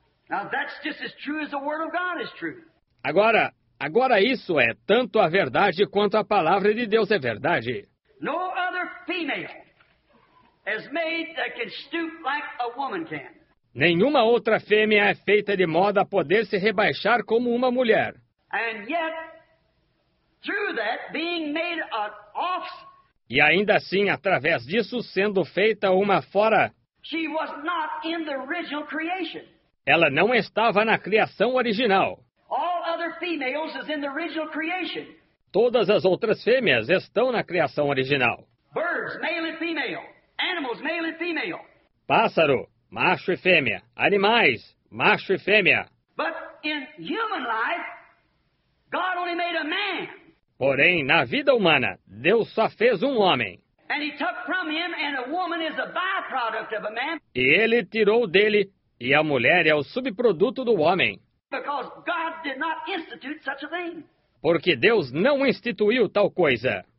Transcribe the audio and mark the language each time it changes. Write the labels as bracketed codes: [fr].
[en] Now that's just as true as the word of God is true. [pt] Agora isso é tanto a verdade quanto a palavra de Deus é verdade. [en] No other female is made that can stoop like a woman can. [pt] Nenhuma outra fêmea é feita de modo a poder se rebaixar como uma mulher. [en] And yet, through that, being made an off. [pt] E ainda assim, através disso, sendo feita uma fora. [en] She was not in the original creation. [pt] Ela não estava na criação original. [en] All other females is in the original creation. [pt] Todas as outras fêmeas estão na criação original. [en] Birds, male and female. Animals, male and female. [pt] Pássaro, macho e fêmea. Animais, macho e fêmea. [en] But in human life, God only made a man. [pt] Porém, na vida humana, Deus só fez um homem. [en] And he took from him, and a woman is a byproduct of a man. [pt] E ele tirou dele, e a mulher é o subproduto do homem. [en] Because God did not institute such a thing. [pt] Porque Deus não instituiu tal coisa.